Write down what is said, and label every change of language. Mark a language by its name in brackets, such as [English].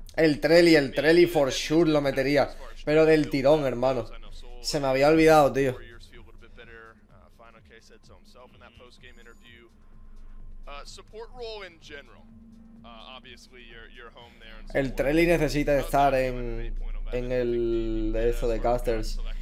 [Spanish] El Trelly [English] for sure [Spanish] lo metería, pero del tirón, hermano. Se me había olvidado, tío. [English] Final K said so himself in that post-game interview. Support role in general. Obviously you're home there. [Spanish] El Trelly necesita estar en el de eso de casters.